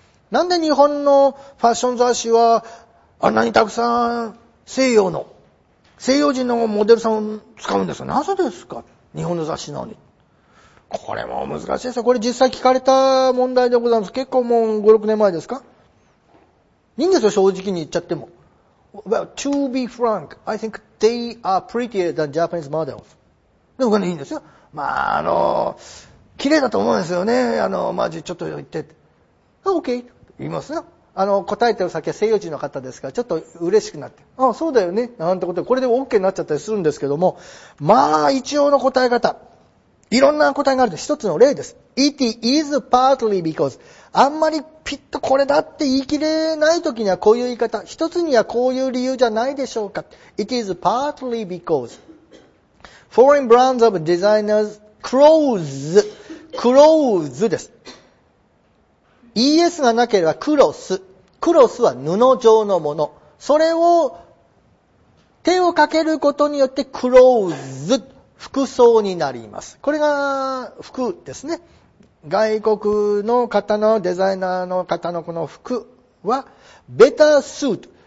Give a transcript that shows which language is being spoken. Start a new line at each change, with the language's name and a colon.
Japanese: なんで日本のファッション雑誌は、あんなにたくさん西洋の、西洋人のモデルさんを使うんですか？なぜですか？日本の雑誌なのに。これも難しいですよ。これ実際聞かれた問題でございます。結構もう5、6年前ですか？いいんですよ、正直に言っちゃっても。
English: Well, to be frank, I think they are prettier than Japanese models.
Japanese: でも、これいいんですよ。まあ、綺麗だと思うんですよね。マジちょっと言って。 OK、言いますよ。答えてる先は西洋人の方ですから、ちょっと嬉しくなって。あ、そうだよね。なんてことで、これで OK になっちゃったりするんですけども、まあ、一応の答え方。いろんな答えがあるので、一つの例です。
English: It is partly because
Japanese: あんまりピッとこれだって言い切れないときにはこういう言い方。一つにはこういう理由じゃないでしょうか。
English: It is partly because foreign brands of designers close
Japanese: です。 ES がなければクロス。クロスは布状のもの。それを手をかけることによってクローズ。服装になります。これが服ですね。外国の方のデザイナーの方のこの服は、
English: better suit。